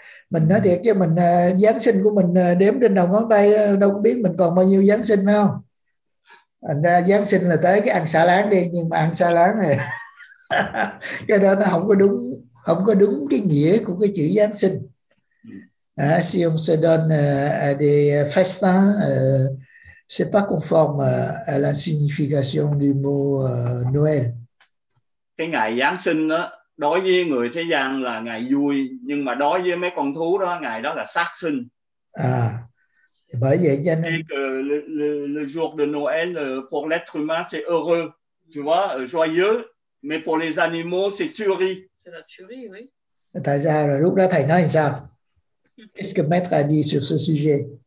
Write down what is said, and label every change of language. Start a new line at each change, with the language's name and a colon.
Vietnamese: Mình nói thiệt chứ mình Giáng sinh của mình đếm trên đầu ngón tay, đâu biết mình còn bao nhiêu Giáng sinh không? Anh ra Giáng sinh là tới cái ăn xả láng đi, nhưng mà ăn xả láng này cái đó nó không có đúng cái nghĩa của cái chữ Giáng sinh.
French: Si on se donne des festins, c'est pas conforme à la signification du mot Noël.
Vietnamese: Cái ngày Giáng sinh đó đối với người thế gian là ngày vui, nhưng mà đối với mấy con thú đó ngày đó là sát sinh. Bởi vậy cho nên
French: le jour de Noël pour l'être humain c'est heureux, tu vois, joyeux, mais pour les animaux c'est tuerie. C'est la tuerie, oui.
Vietnamese: Tại sao rồi lúc đó thầy nói sao?
French: Qu'est-ce que maître a dit sur ce sujet?